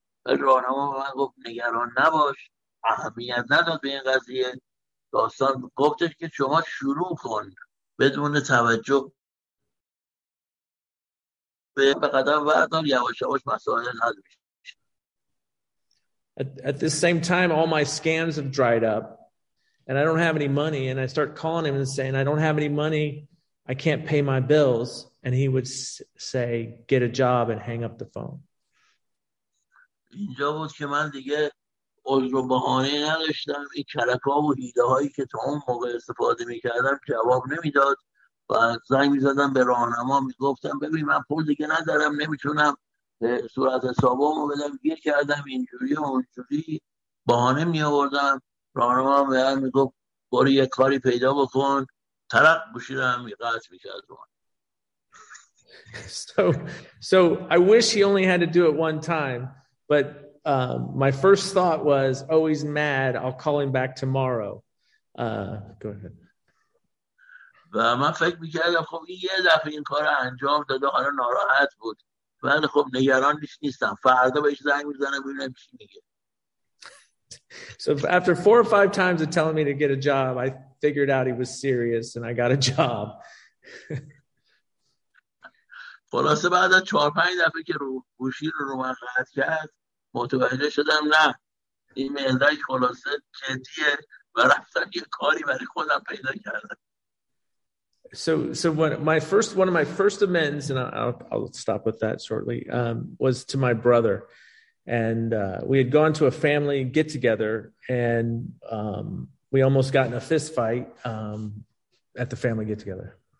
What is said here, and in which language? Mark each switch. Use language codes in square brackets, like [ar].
[fa] راهنما به من گفت نگران نباش، اهمیت نداد به این قضیه. داستان گفتش که شما شروع کن بدون توجه به قدم وردار، یواش یواش مسائل حل میشه. [en] At the same time, all my scams have dried up and I don't have any money. And I start calling him and saying, I don't have any money. I can't pay my bills. And he would say, get a job and hang up the phone. [fa] اینجا بود که من دیگه عذر و بهانه نداشتم. این کلک‌ها و هیله‌هایی که تو اون موقع استفاده می‌کردم جواب نمی‌داد. و زنگ می‌زدم به راهنما می‌گفتم ببین من پول دیگه ندارم، نمی‌تونم صورت حسابم رو بدم، گیر کردم اینجوری و اونجوری، بهانه می آوردم. راهنما هم به من میگفت برو یه کاری پیدا بکن، ترق گوشیدم قطع میکرد. [en] So I wish he only had to do it one time, but my first thought was always mad, I'll call him back tomorrow. Go ahead. [fa] و من فکر میکردم خب این یه دفعه این کار انجام داده، حالا ناراحت بود، ولی خب نگران نیستم فردا بهش زنگ میزنم ببینم چی میگه. [en] So after 4 or 5 times of telling me to get a job, I figured out he was serious and I got a job. [fa] خلاصه بعد از 4-5 دفعه که رو گوشی رو من قطع کرد متوجه شدم نه این مهندش خلاصه جدیه و رفتم یه کاری برای خودم پیدا کردم. [en] So one of my first amends, and I'll stop with that shortly, was to my brother. And we had gone to a family get together and we almost got in a fist fight at the family get together.